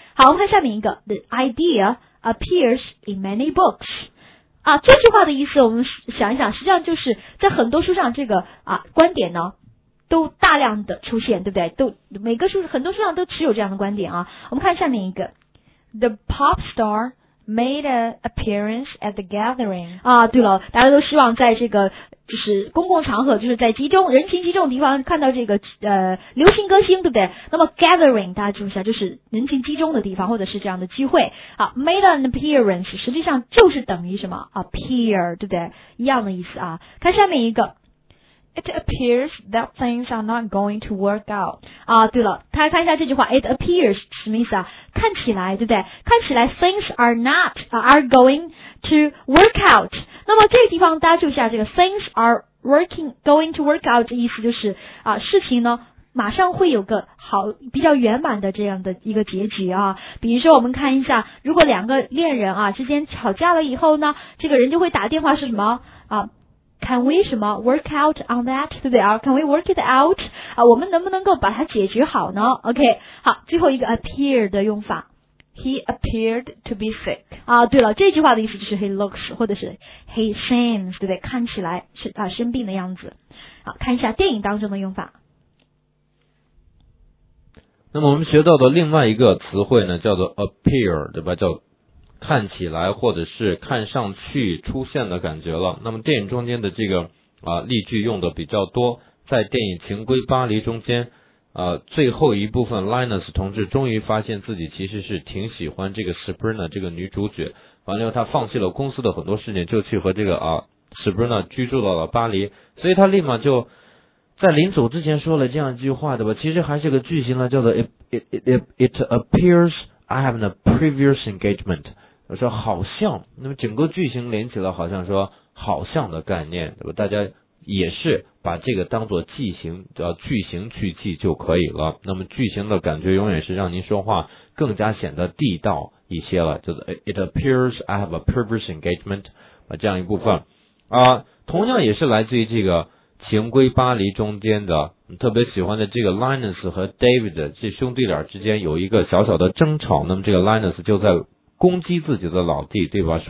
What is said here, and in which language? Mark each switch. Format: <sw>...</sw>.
<zh>好，我们看下面一个 ，</zh> <en>The idea。 Appears in many books.</en> <zh>啊，这句话的意思，我们想一想，实际上就是在很多书上，这个啊观点呢，都大量的出现，对不对？都每个书很多书上都持有这样的观点啊。我们看下面一个</zh> <en>，The pop star made an appearance at the gathering.</en> <zh>啊，对了，大家都希望在这个就是公共场合，就是在人群集中的地方看到这个流行歌星，对不对？那么 gathering 大家注意一下，就是人群集中的地方或者是这样的机会。好，</zh> <en>made an appearance</en> <zh>实际上就是等于什么 appear， 对不对？一样的意思啊。看下面一个</zh> <en>，It appears that things are not going to work out.</en> <zh>啊，对了，大家看一下这句话 ，</zh> <en>It appears</en> <zh>什么意思啊？看起来，对不对？看起来</zh> <en>things are not are going to work out。</en> <zh>那么这个地方大家注意一下，这个 things are going to work out 的意思就是啊，事情呢马上会有个好比较圆满的这样的一个结局啊。比如说我们看一下，如果两个恋人啊之间吵架了以后呢，这个人就会打电话是什么啊？</zh> <en>Can we</en> <zh>什么</zh> <en>work out on that,</en> <zh>对不对啊</zh> <en>？Can we work it out 啊？</en> <zh>我们能不能够把它解决好呢 ？OK， 好，最后一个 appear 的用法</zh> <en>，He appeared to be sick 啊。</en> <zh>对了，这句话的意思就是</zh> <en>he looks</en> <zh>或者是</zh> <en>he seems，</en> <zh>对不对？看起来是啊生病的样子。好，看一下电影当中的用法。那么我们学到的另外一个词汇呢，叫做 appear， 对吧？叫看起来或者是看上去出现的感觉了。那么电影中间的这个例句用的比较多，在电影《情归巴黎》中间最后一部分 Linus 同志终于发现自己其实是挺喜欢这个 Sabrina 这个女主角，完了后他放弃了公司的很多事情，就去和这个Sabrina 居住到了巴黎，所以他立马就在临走之前说了这样一句话，对吧？其实还是个句型呢，叫做</zh> <en>it appears I have a previous engagement。</en> <zh>我说好像，那么整个句型连起了好像说好像的概念，对吧？大家也是把这个当做句型，句型去记就可以了。那么句型的感觉永远是让您说话更加显得地道一些了，就是</zh> <en>It appears I have a previous engagement</en> <zh>这样一部分啊，同样也是来自于这个《情归巴黎》中间的，特别喜欢的这个 Linus 和 David 这兄弟俩之间有一个小小的争吵，那么这个 Linus 就在攻击自己的老弟，对吧？</zh>